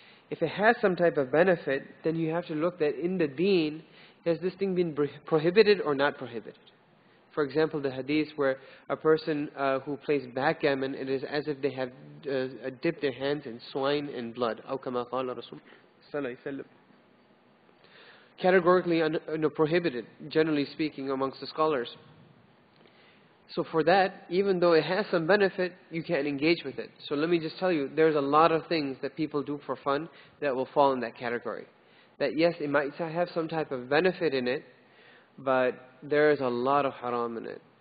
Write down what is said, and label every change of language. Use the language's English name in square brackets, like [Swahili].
[English] If it has some type of benefit, then you have to look that in the deen, has this thing been prohibited or not prohibited? For example, the hadith where a person who plays backgammon, it is as if they have dipped their hands in swine and blood. [Arabic] أو كما قال رسول صلى الله عليه وسلم. [English] Categorically prohibited, generally speaking, amongst the scholars. So for that, even though it has some benefit, you can't engage with it. So let me just tell you, there's a lot of things that people do for fun that will fall in that category. That yes, it might have some type of benefit in it, but there is a lot of haram in it.